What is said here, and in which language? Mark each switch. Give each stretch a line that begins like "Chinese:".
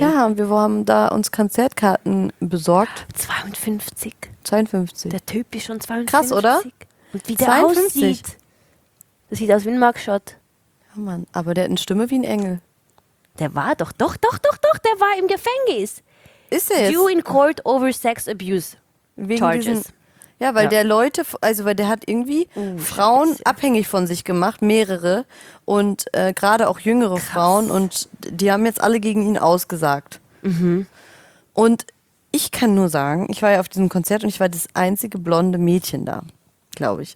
German: Ja, und wir haben da uns Konzertkarten besorgt. 52. 52. Der Typ ist schon 52. Krass, oder? Und wie der 52. aussieht. Das sieht aus wie ein Mugshot. Ja, Mann, aber der hat eine Stimme wie ein Engel. Der war doch, der war im Gefängnis. Ist er?
English: Due in court over sex abuse.
German: Wegen
English: charges.
German: Ja, weil der Leute, also weil der hat irgendwie Frauen abhängig von sich gemacht, mehrere und gerade auch jüngere Frauen und die haben jetzt alle gegen ihn ausgesagt. Mhm. Und ich kann nur sagen, ich war ja auf diesem Konzert und ich war das einzige blonde Mädchen da, glaube ich.